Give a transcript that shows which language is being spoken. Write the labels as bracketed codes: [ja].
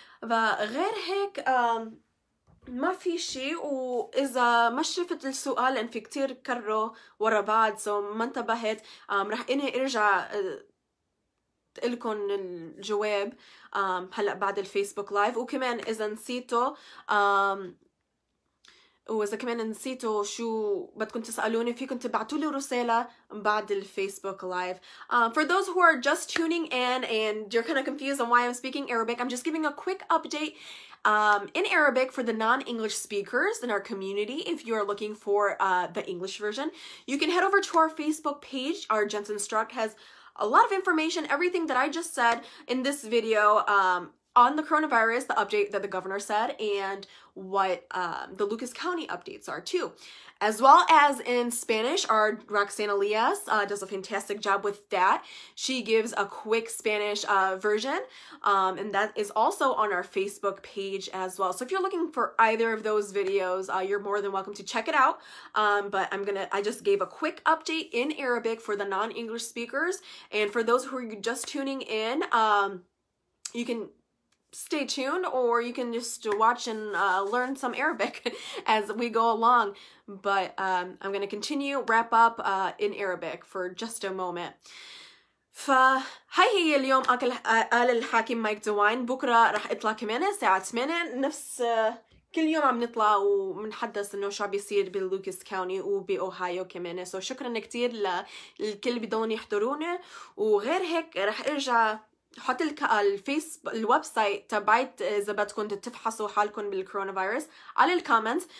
[ar] فغير هيك ما في شيء، وإذا ما شفت السؤال إن في كتير كروا ورا بعض سو ما انتبهت رح إني أرجع لكم الجواب هلأ بعد الفيسبوك لايف. وكمان إذا نسيتوا وإذا كمان نسيتوا شو بدكم تسألوني فيكم تبعتولي رسالة بعد الفيسبوك لايف. [en] For those who are just tuning in and you're kind of confused on why I'm speaking Arabic, I'm just giving a quick update in Arabic for the non-English speakers in our community. If you are looking for the English version, you can head over to our Facebook page. Our Jensen Struck has a lot of information, everything that I just said in this video on the coronavirus, the update that the governor said, and what the Lucas County updates are too. As well as in Spanish, our Roxana Elias does a fantastic job with that. She gives a quick Spanish version, and that is also on our Facebook page as well. So if you're looking for either of those videos, you're more than welcome to check it out. But I just gave a quick update in Arabic for the non-English speakers. And for those who are just tuning in, you can stay tuned, or you can just watch and learn some Arabic as we go along. But I'm going to continue wrap up in Arabic for just a moment. [ar] ف هاي هي اليوم قال الحاكم مايك دوين. بكره راح اطلع كمان الساعه 8 نفس كل يوم عم نطلع ومنحدث انه شو عم بيصير باللوكس كاوني وباوهايو كمان. سو شكرا كثير للكل بدون يحضروني. وغير هيك راح ارجع حط الفيسبوك الويب سايت تبعت اذا بدكم تفحصوا حالكم بالكورونا فيروس على الكومنتس.